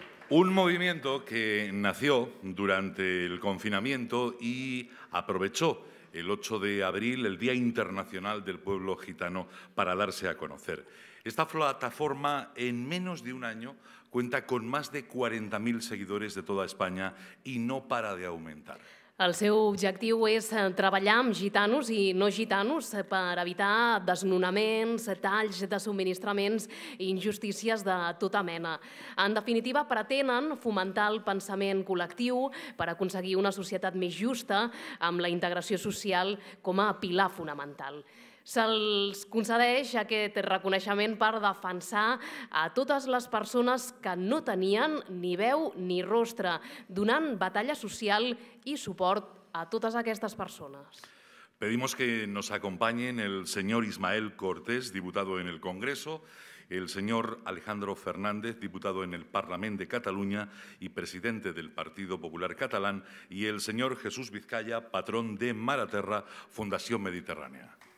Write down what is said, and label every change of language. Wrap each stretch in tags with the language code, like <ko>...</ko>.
<es>Un movimiento que nació durante el confinamiento y aprovechó el 8 de abril, el Día Internacional del Pueblo Gitano, para darse a conocer. Esta plataforma, en menos de un año, cuenta con más de 40.000 seguidores de toda España y no para de aumentar.</es> <ca>El seu objectiu és treballar amb gitanos i no gitanos per evitar desnonaments, talls de subministraments i injustícies de tota mena. En definitiva, pretenen fomentar el pensament col·lectiu per aconseguir una societat més justa amb la integració social com a pilar fonamental. se'ls concedeix aquest reconeixement per defensar a totes les persones que no tenien ni veu ni rostre, donant batalla social i suport a totes aquestes persones.</ca> <es>Pedimos que nos acompañen el señor Ismael Cortés, diputado en el Congreso, el señor Alejandro Fernández, diputado en el Parlament de Cataluña y presidente del Partido Popular Catalán, y el señor Jesús Vizcaya, patrón de Maraterra, Fundación Mediterránea.</es>